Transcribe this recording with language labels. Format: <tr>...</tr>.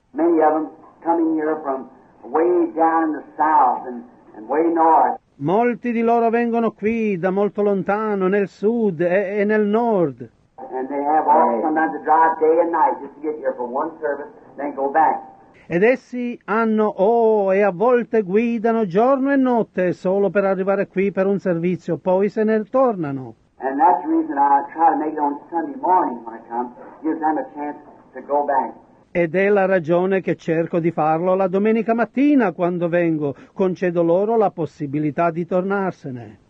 <en>Many of them coming here from way down in the south and way north.</en> <it>Molti di loro vengono qui da molto lontano nel sud e nel nord.</it> <en>And they have all sometimes to drive day and night just to get here for one service, then go back.</en> <it>Ed essi hanno e a volte guidano giorno e notte solo per arrivare qui per un servizio, poi se ne tornano.</it> <en>And that's the reason I try to make it on Sunday morning when I come, gives them a chance to go back.</en> <it>Ed è la ragione che cerco di farlo la domenica mattina quando vengo, concedo loro la possibilità di tornarsene.</it>